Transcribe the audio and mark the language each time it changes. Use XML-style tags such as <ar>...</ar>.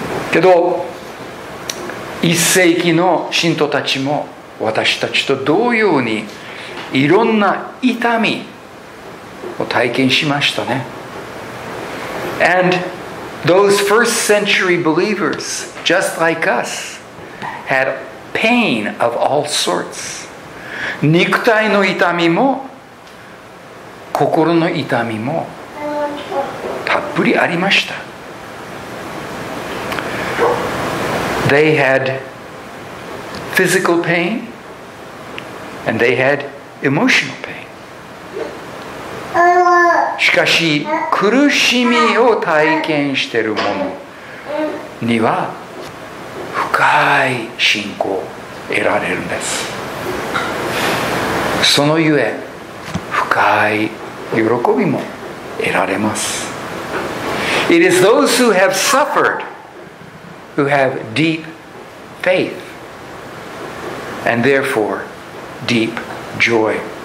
<ja>けど、一世紀の信徒たちも私たちと同様にいろんな痛みを体験しましたね。</ja> <en>And those first century believers, just like us, had pain of all sorts.</en> <ja>肉体の痛みも心の痛みもたっぷりありました。</ja> <en>They had physical pain and they had emotional pain.</en> <ja>しかし苦しみを体験している者には深い信仰を得られるんです。そのゆえ深い喜びも得られます。</ja> <en>It is those who have suffered who have deep faith and therefore deep joy.</en>